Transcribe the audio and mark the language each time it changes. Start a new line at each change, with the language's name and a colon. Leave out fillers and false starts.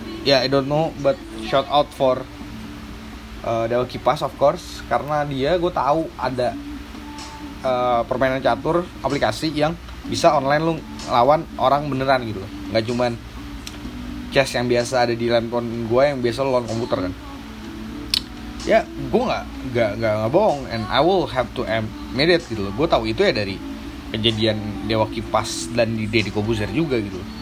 English: Yeah, I don't know, but shout out for Dewa Kipas of course.
Indonesian: Karena dia gue tahu ada permainan catur aplikasi yang bisa online lu lawan orang beneran gitu. Gak cuman chess yang biasa ada di handphone gue yang biasa lawan komputer kan. Ya gue gak bohong,
English: and I will have to admit it
Indonesian: gitu. Gue tahu itu ya dari kejadian Dewa Kipas dan di Deddy Kobuzer juga gitu.